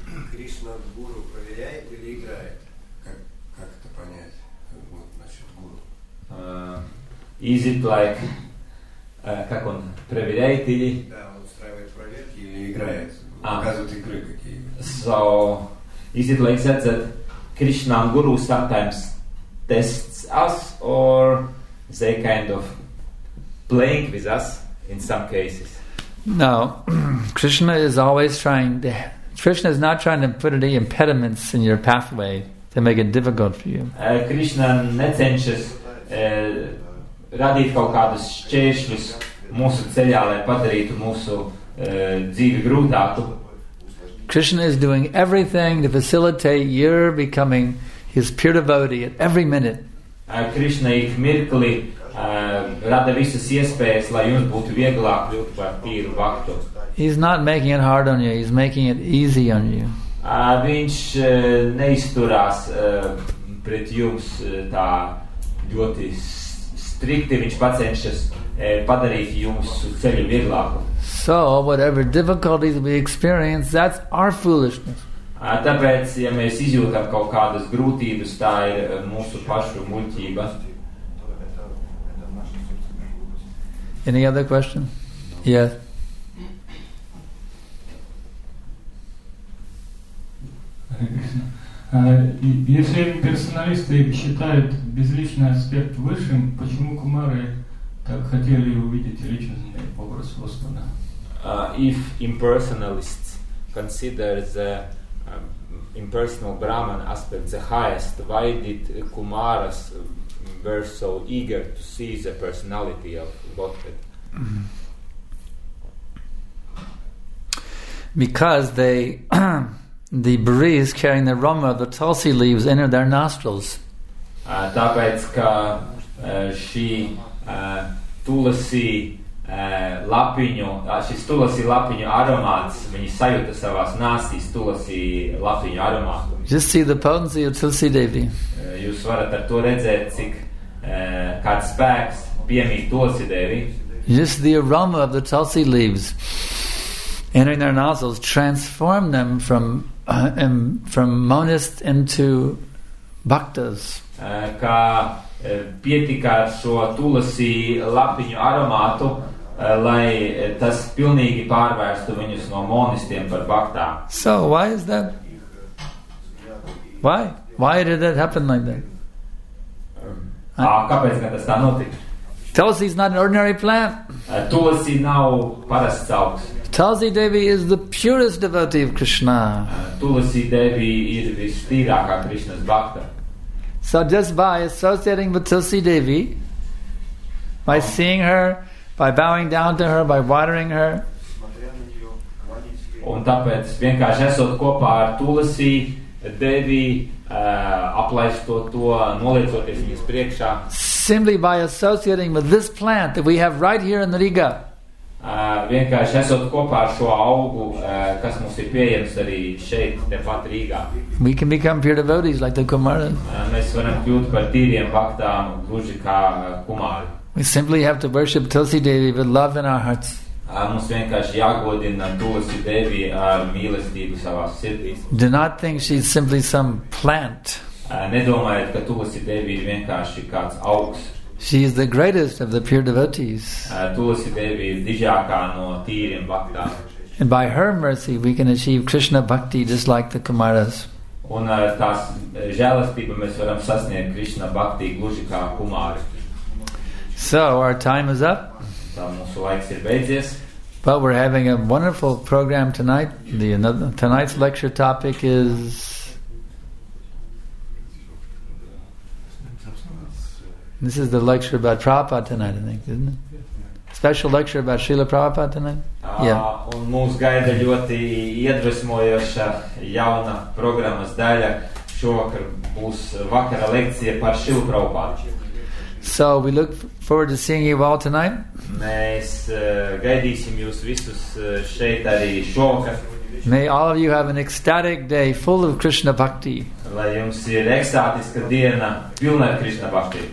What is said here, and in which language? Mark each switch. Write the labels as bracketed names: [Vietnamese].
[Russian] Krishna guru проверяет или играет? Как это понять? Вот насчет гуру. [English] Is it like [Russian] как он проверяет или? Да, он устраивает проверки или играет. Показывает игры какие. [English] So is it like that Krishna guru sometimes tests us or they kind of playing with us in some cases? No, Krishna is always trying to. Krishna is not trying to put any impediments in your pathway to make it difficult for you. [Latvian] Krishna necenšas radīt kaut kādus šķēršļus mūsu ceļā, lai padarītu mūsu dzīvi grūtāku. [English] Krishna is doing everything to facilitate your becoming his pure devotee at every minute. [Latvian] Krishna ik mirkli rada visas iespējas, lai jums būtu vieglāk kļūt par tīru vaktu. [English] He's not making it hard on you, he's making it easy on you. [Latvian] Viņš neizturās pret jums tā ļoti strikti, viņš pacenšas padarīt jums ceļu vieglāku. [English] So, whatever difficulties we experience, that's our foolishness. [Latvian] Tāpēc, ja mēs izjūtam kaut kādas grūtības, tā ir mūsu pašu muļķība. [English] Any other question? Yes. [Russian] Если персоналисты считают безличный аспект высшим, почему кумары так хотели увидеть личный образ Господа? [English] If impersonalists consider the impersonal Brahman aspect the highest, why did kumaras were so eager to see the personality of Godhead? Because they... The breeze carrying the aroma of the tulsi leaves enter their nostrils. [Latvian] Tāpēc, ka šī tulasi lapiņu, šis tulasi lapiņu aromāts, viņi sajūta savās nāstīs tulasi lapiņu aromātu. [English] Just see the potency of tulsi devi. [Latvian] Jūs varat ar to redzēt, cik kāds spēks piemīt tulsi devi. [English] Just the aroma of the tulsi leaves entering their nostrils transform them from monist into bhaktas. [Latvian] Kā pietika šo tulasi lapiņu aromātu, lai tas pilnīgi pārvērstu viņus no monistiem par bhaktām. [English] So, why is that? Why? Why did that happen like that? [Latvian] Kāpēc, ka tas tā notik? [English] Tulsi is not an ordinary plant. [Latvian] Tulsi nav parasts augs. [English] Tulsi Devi is the purest devotee of Krishna. [Latvian] Tulsi Devi ir vistīrākā Krishnas bhakta. [English] So just by associating with Tulsi Devi, by seeing her, by bowing down to her, by watering her. [Latvian] Un tāpēc vienkārši esot kopā ar Tulsi Devi, aplaistot to, noliecoties viņas priekšā. [English] Simply by associating with this plant that we have right here in Riga. [Latvian] Vienkārši esot kopā ar šo augu, kas mums ir pieejams arī šeit, tepat Rīgā. [English] We can become pure devotees like the Kumara. [Latvian] Mēs varam kļūt par tīriem bhaktām, gluži kā Kumāri. [English] We simply have to worship Tulsi Devi with love in our hearts. [Latvian] Mums vienkārši jāgodina Tulsi Devi ar mīlestību savās sirdīs. [English] Do not think she's simply some plant. [Latvian] Nedomājiet, ka Tulsi Devi ir vienkārši kāds augs. [English] She is the greatest of the pure devotees. [Latvian] Tulsi Devi ir dižākā no tīriem bhaktām. [English] And by her mercy we can achieve Krishna bhakti just like the Kumaras. [Latvian] Un ar tās žēlastību mēs varam sasniegt Krishna bhakti gluži kā Kumāri. [English] So our time is up. [Latvian] Tā mūsu laiks ir beidzies. [English] But we're having a wonderful program tonight. Tonight's lecture topic is this is the lecture about Prabhupada tonight, I think, isn't it? Special lecture about Srila Prabhupada tonight? Yeah. [Latvian] Un mūs gaida ļoti iedvesmojoša jauna programmas daļa. Šovakar būs vakara lekcija par Srila Prabhupada. [English] So we look forward to seeing you all tonight. [Latvian] Mēs gaidīsim jūs visus šeit arī šovakar. [English] May all of you have an ecstatic day full of Krishna bhakti. [Latvian] Lai jums ir ekstātiska diena pilna ar Krishna bhakti.